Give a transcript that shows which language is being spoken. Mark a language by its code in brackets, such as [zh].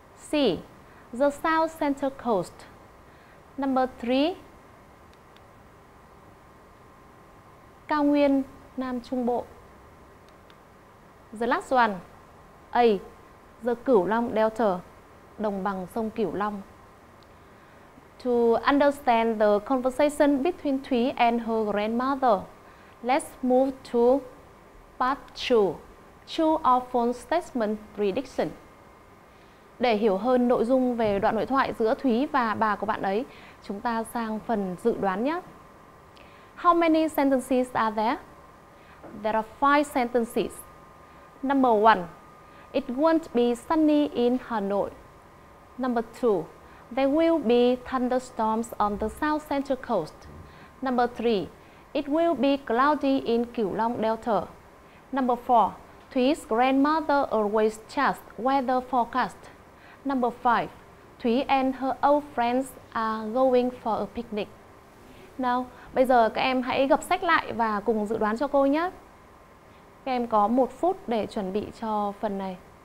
[en] C. The South Central Coast. Number 3, [vi] Cao Nguyên, Nam Trung Bộ. [en] The last one. A. The Cửu Long Delta, [vi] đồng bằng sông Cửu Long. [en] To understand the conversation between Thúy and her grandmother, let's move to part 2, true or false statement prediction. [vi] Để hiểu hơn nội dung về đoạn đối thoại giữa Thúy và bà của bạn ấy, chúng ta sang phần dự đoán nhé. [en] How many sentences are there? There are 5 sentences. Number 1. It won't be sunny in Hanoi. Number 2. There will be thunderstorms on the South Central Coast. Number 3. It will be cloudy in Cửu Long Delta. Number 4. Thúy's grandmother always checks weather forecast. Number 5. Thúy and her old friends are going for a picnic. [vi] Now, bây giờ các em hãy gập sách lại và cùng dự đoán cho cô nhé. Các em có 1 phút để chuẩn bị cho phần này.